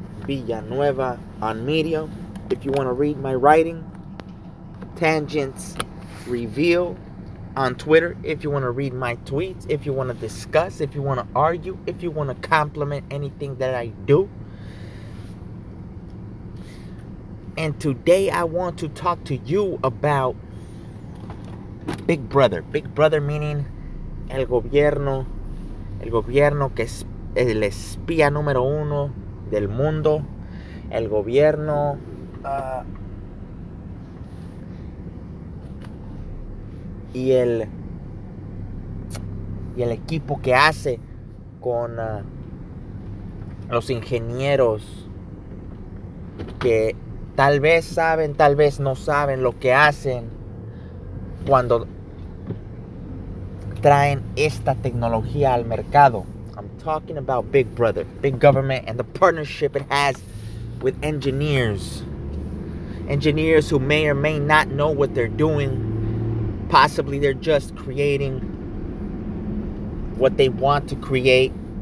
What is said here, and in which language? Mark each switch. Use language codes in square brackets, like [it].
[en] Villanueva on Medium. If you want to read my writing, Tangents Reveal on Twitter. If you want to read my tweets, if you want to discuss, if you want to argue, if you want to compliment anything that I do. And today I want to talk to you about Big Brother. Big Brother meaning [es] el gobierno que es el espía número uno del mundo, el gobierno y el equipo que hace con los ingenieros que tal vez saben, tal vez no saben lo que hacen cuando traen esta tecnología al mercado. [en] I'm talking about Big Brother, Big Government, and the partnership it has with engineers. Engineers who may or may not know what they're doing. Possibly they're just creating what they want to create.